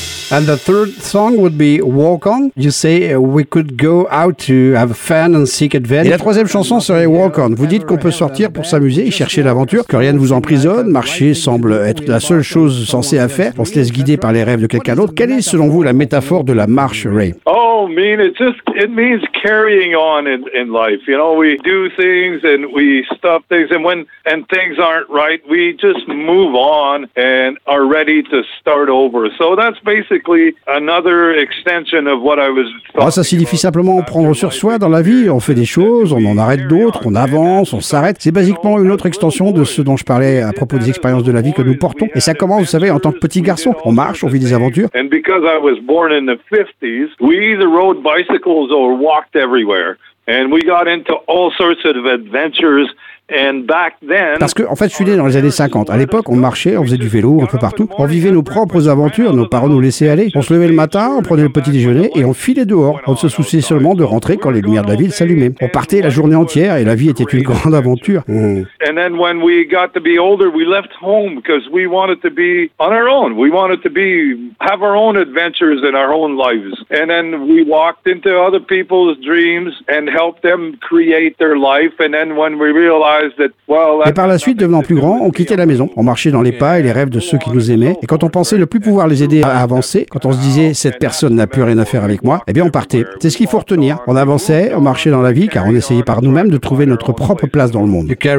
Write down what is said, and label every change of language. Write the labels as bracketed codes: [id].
[en] And the third song would be Walk On. You say we could go out to have fun and seek adventure. [fr] Et la troisième chanson serait Walk On. Vous dites qu'on peut sortir pour s'amuser et chercher l'aventure, que rien ne vous emprisonne, marcher semble être la seule chose censée à faire. On se laisse guider par les rêves de quelqu'un d'autre. Quelle est, selon vous, la métaphore de la marche, Ray? [en] Oh, mean, it means carrying on in life. You know, we do things and we stop things, and when and things aren't right, we just move on and are ready to start over. So that's basically another extension of what I was talking about. [fr] Ça signifie simplement prendre sur soi dans la vie. On fait des choses, on en arrête d'autres, on avance, on s'arrête. C'est basiquement une autre extension de ce dont je parlais à propos des expériences de la vie que nous portons. Et ça commence, vous savez, en tant que petit garçon. On marche, on vit des aventures. [en] And because I was born in the 50s, we either rode bicycles or walked everywhere. And we got into all sorts of adventures. [fr] Parce que, en fait, je suis né dans les années 50. À l'époque, on marchait, on faisait du vélo un peu partout. On vivait nos propres aventures, nos parents nous laissaient aller. On se levait le matin, on prenait le petit déjeuner et on filait dehors. On se souciait seulement de rentrer quand les lumières de la ville s'allumaient. On partait la journée entière et la vie était une grande aventure. [en] And then when we got to be older, we left home because we wanted to be on our own. We wanted to be have our own adventures in our own lives. And then we walked into other people's dreams and helped them create their life. And then when we realized [fr] Et par la suite, devenant plus grand, on quittait la maison. On marchait dans les pas et les rêves de ceux qui nous aimaient. Et quand on pensait ne plus pouvoir les aider à avancer, quand on se disait « cette personne n'a plus rien à faire avec moi », eh bien on partait. C'est ce qu'il faut retenir. On avançait, on marchait dans la vie, car on essayait par nous-mêmes de trouver notre propre place dans le monde.